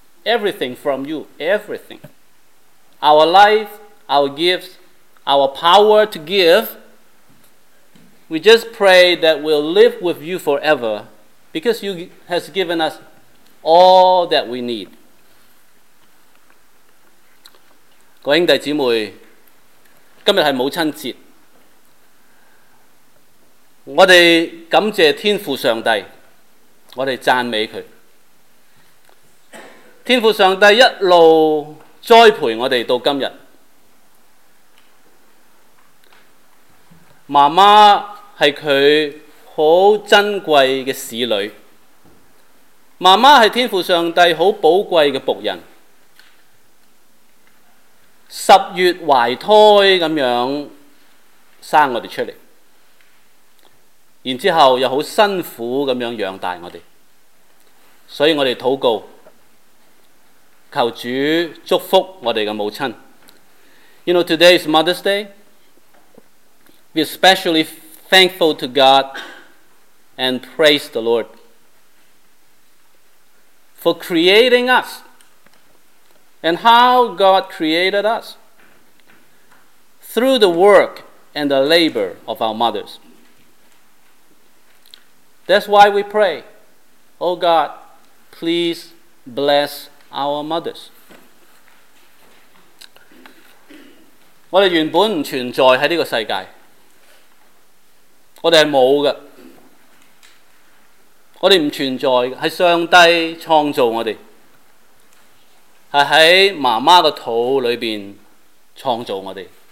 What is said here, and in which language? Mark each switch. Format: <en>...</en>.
<en>Everything from you, everything. Our life, our gifts, our power to give, We just pray that we'll live with you forever because you has given us all that we need.</en> <zh>各兄弟姊妹，今日是母亲节，我们感谢天父上帝，我们赞美祂。天父上帝一路栽培我们到今日，妈妈是祂很珍贵的使女，妈妈是天父上帝很宝贵的仆人，十月怀胎这样生我们出来，然后又很辛苦地养大我们，所以我们祷告求主祝福我们的母亲。</zh> <en>You know, today is Mother's Day. We are especially thankful to God and praise the Lord for creating us and how God created us through the work and the labor of our mothers. That's why we pray, Oh God, please bless our mothers.</en> <zh>我们原本不存在在这个世界，我们是没有的，我们不存在的，是上帝创造我们，是在妈妈的肚里面创造我们，</zh>